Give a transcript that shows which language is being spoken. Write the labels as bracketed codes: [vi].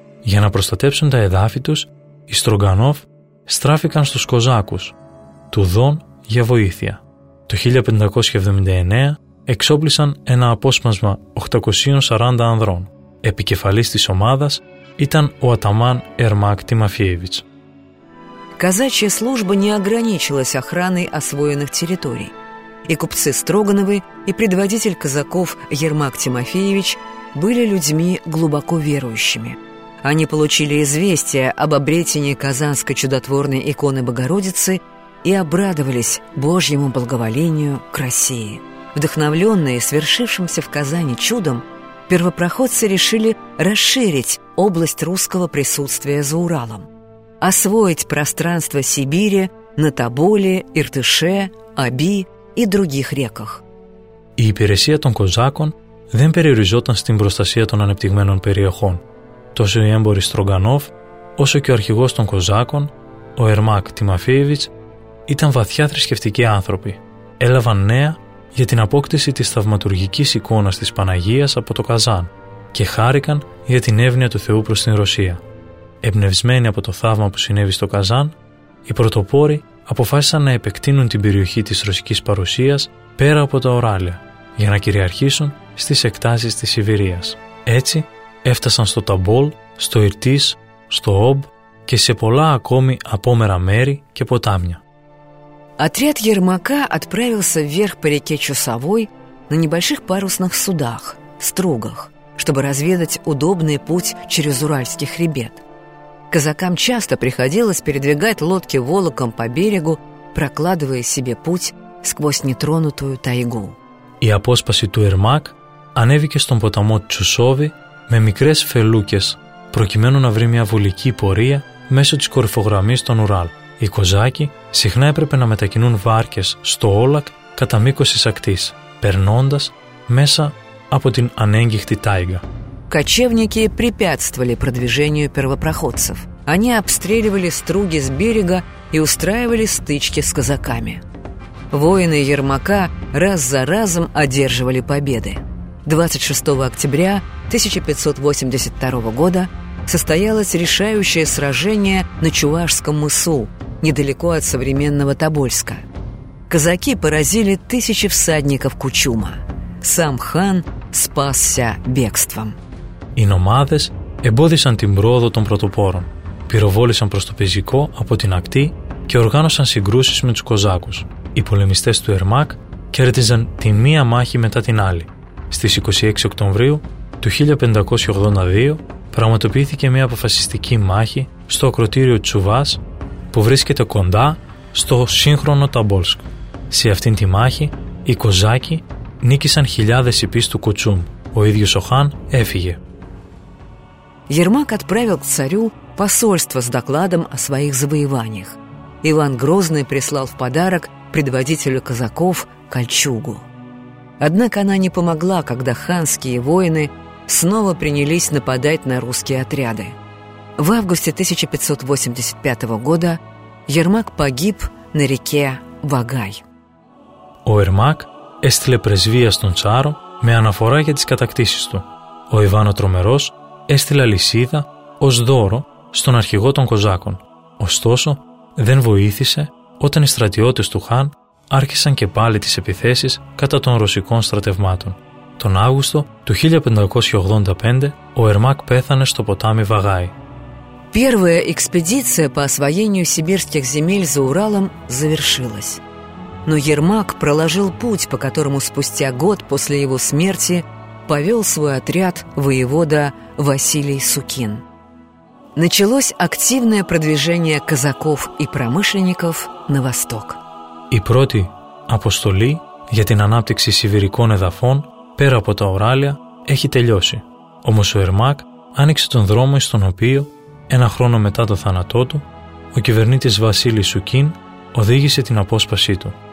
[el] Για να προστατέψουν τα εδάφη τους, οι Στρογκανόφ στράφηκαν στους Κοζάκους, του Δον, για βοήθεια. Το 1579 εξόπλισαν ένα απόσπασμα 840 ανδρών. Επικεφαλής της ομάδας ήταν ο αταμάν Ερμάκ Τιμαφιέβιτς. [ru] Казачья служба не ограничилась охраной освоенных территорий. И купцы Строгановы, и предводитель казаков Ермак Тимофеевич были людьми глубоко верующими. Они получили известие об обретении казанской чудотворной иконы Богородицы и обрадовались Божьему благоволению к России. Вдохновленные свершившимся в Казани чудом, первопроходцы решили расширить область русского присутствия за Уралом, освоить пространство Сибири на Тоболе, Иртыше, Оби и других реках. [el] Η υπηρεσία των Κοζάκων δεν περιοριζόταν στην προστασία των ανεπτυγμένων περιοχών. Τόσο οι έμποροι Στρογκανόφ, όσο και ο αρχηγός των Κοζάκων, ο Ερμάκ Τιμαφίεβιτς, ήταν βαθιά θρησκευτικοί άνθρωποι. Έλαβαν νέα για την απόκτηση της θαυματουργικής εικόνας της Παναγίας από το Καζάν και χάρηκαν για την εύνοια του Θεού προς την Ρωσία. Εμπνευσμένοι από το θαύμα που συνέβη στο Καζάν, οι πρωτοπόροι αποφάσισαν να επεκτείνουν την περιοχή της ρωσικής παρουσίας πέρα από τα Ουράλια για να κυριαρχήσουν στις εκτάσεις της Σιβηρίας. Έτσι, έφτασαν στο Ταμπόλ, στο Ιρτίς, στο Ομπ και σε πολλά ακόμη απόμερα μέρη και ποτάμια. [ru] Отряд Ермака отправился вверх по реке Чусовой на небольших парусных судах, стругах, чтобы разведать удобный путь через Уральский хребет. Казакам часто приходилось передвигать лодки волоком по берегу, прокладывая себе путь сквозь нетронутую тайгу. [el] Η απόσπαση του Ερμάκ ανέβηκε στον ποταμό Τσουσόβη με μικρές φελούκες, προκειμένου να βρει μια βολική πορεία μέσω της κορυφογραμμής των Ουράλ. Οι Κοζάκοι συχνά έπρεπε να μετακινούν βάρκες στο Όλακ κατά μήκος της ακτής, περνώντας μέσα από την ανέγγιχτη τάιγα. [ru] Кочевники препятствовали продвижению первопроходцев. Они обстреливали струги с берега и устраивали стычки с казаками. Воины Ермака раз за разом одерживали победы. 26 октября 1582 года состоялось решающее сражение на Чувашском мысу, недалеко от современного Тобольска. Казаки поразили тысячи всадников Кучума. Сам хан спасся бегством. [el] Οι νομάδες εμπόδισαν την πρόοδο των πρωτοπόρων, πυροβόλησαν προς το πεζικό από την ακτή και οργάνωσαν συγκρούσεις με τους Κοζάκους. Οι πολεμιστές του Ερμάκ κέρδιζαν τη μία μάχη μετά την άλλη. Στις 26 Οκτωβρίου του 1582 πραγματοποιήθηκε μια αποφασιστική μάχη στο ακροτήριο Τσουβάς που βρίσκεται κοντά στο σύγχρονο Ταμπόλσκ. Σε αυτήν τη μάχη οι Κοζάκοι νίκησαν χιλιάδες υπείς του Κουτσούμ. Ο ίδιος ο Χάν έφυγε. [ru] Ермак отправил к царю посольство с докладом о своих завоеваниях. Иван Грозный прислал в подарок предводителю казаков кольчугу. Однако она не помогла, когда ханские воины снова принялись нападать на русские отряды. В августе 1585 года Ермак погиб на реке Вагай. [el] О Ермак эстле пресвия стон царо ме анафора για τις κατακτήσεις του. Ο Ιβάν ο Τρομερός έστειλε αλυσίδα ως δώρο στον αρχηγό των Κοζάκων. Ωστόσο, δεν βοήθησε όταν οι στρατιώτες του Χάν άρχισαν και πάλι τις επιθέσεις κατά των ρωσικών στρατευμάτων. Τον Αύγουστο του 1585 ο Ερμάκ πέθανε στο ποτάμι Βαγάι. [ru] Первая экспедиция по освоению сибирских земель за Уралом завершилась. Но Ермак проложил путь, по которому спустя год после его смерти повел свой отряд воевода Василий Сукин. Началось активное продвижение казаков и промышленников на восток. [el] Η πρώτη αποστολή για την ανάπτυξη σιβηρικών εδαφών πέρα από τα Ουράλια έχει τελειώσει. Όμως ο Ερμάκ άνοιξε τον δρόμο στον οποίο, ένα χρόνο μετά το θάνατό του, ο κυβερνήτης Βασίλης Σουκίν οδήγησε την απόσπασή του.